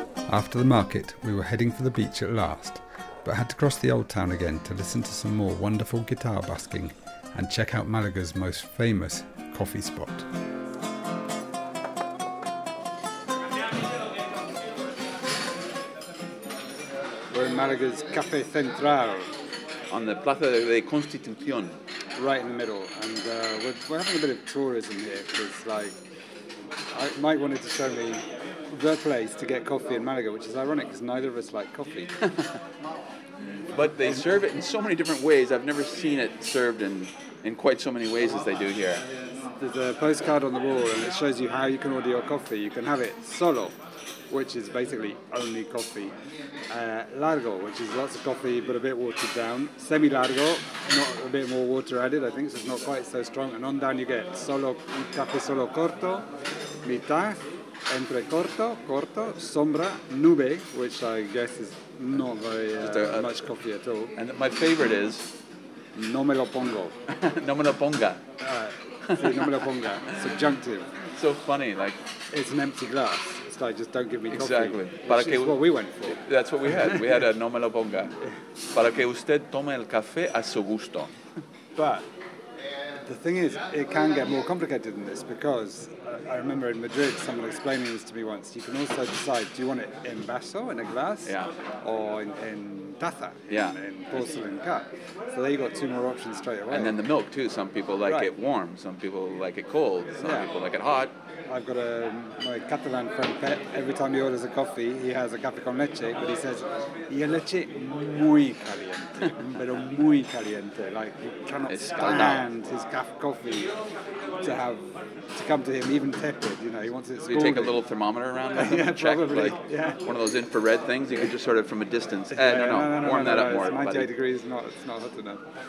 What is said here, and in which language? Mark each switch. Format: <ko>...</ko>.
<en>After the market, we were heading for the beach at last, but had to cross the old town again to listen to some more wonderful guitar busking and check out Malaga's most famous coffee spot. We're in Malaga's Café Central. On the Plaza de Constitución. Right in the middle. And we're having a bit of tourism here, because Mike wanted to show me the place to get coffee in Malaga, which is ironic because neither of us like coffee. But they serve it in so many different ways. I've never seen it served in quite so many ways as they do here. There's a postcard on the wall, and it shows you how you can order your coffee. You can have it solo, which is basically only coffee. Largo, which is lots of coffee but a bit watered down. Semi-largo, not a bit more water added, I think, so it's not quite so strong. And on down you get</en> <es>solo, un café solo corto, mitad, entre corto, corto, sombra, nube,</es> <en>which I guess is not very much coffee at all. And my favorite is?</en> <es>No me lo pongo. No me lo ponga. Sí, no me lo ponga. Subjunctive.</es> <en>So funny, like. It's an empty glass. It's like, just don't give me coffee. Exactly. What we went for. That's what we had. We had a</en> <es>no me lo ponga. Para que usted tome el café a su gusto.</es> <en>But the thing is, it can get more complicated than this, because I remember in Madrid someone explaining this to me once. You can also decide, do you want it in vaso, in a glass, yeah, or in taza, in porcelain cup. So there you got two more options straight away. And then the milk too. Some people like it warm. Some people like it cold. Some people like it hot. I've got my Catalan friend Pet. Every time he orders a coffee, he has a café con leche, but he says,</en> <es>"Y el leche muy caliente,</es> <en>pero muy caliente." Like he cannot stand his coffee to come to him even tepid. You know, he wants it scalding. You take a little thermometer around and check, one of those infrared things. You can just sort of from a distance. Warm that up more. 98 degrees. It's not hot enough.</en>